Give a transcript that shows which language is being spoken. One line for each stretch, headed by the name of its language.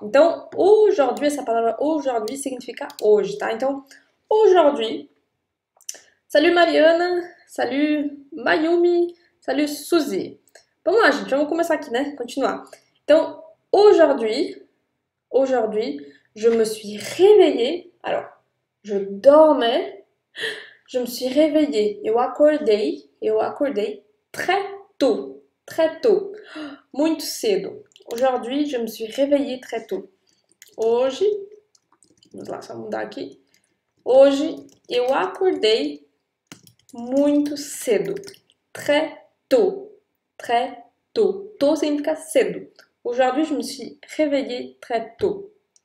Portuguese: Então, aujourd'hui, essa palavra aujourd'hui significa hoje, tá? Então,
French: aujourd'hui. Salut Mariana. Salut Mayumi. Salut Suzy.
Portuguese: Vamos lá, gente. Vamos começar aqui, né? Continuar. Então, aujourd'hui.
French: Aujourd'hui, je me suis réveillée. Alors, je dormais. Je me suis réveillée.
Portuguese: Eu acordei
French: très tôt. Très tôt.
Portuguese: Muito cedo.
French: Aujourd'hui, je me suis réveillée très tôt.
Portuguese: Hoje, vamos lá, só mudar aqui. Hoje, eu acordei muito cedo.
French: Très tôt. Très tôt. Tôt
Portuguese: significa cedo.
French: Aujourd'hui, je me suis réveillée très tôt.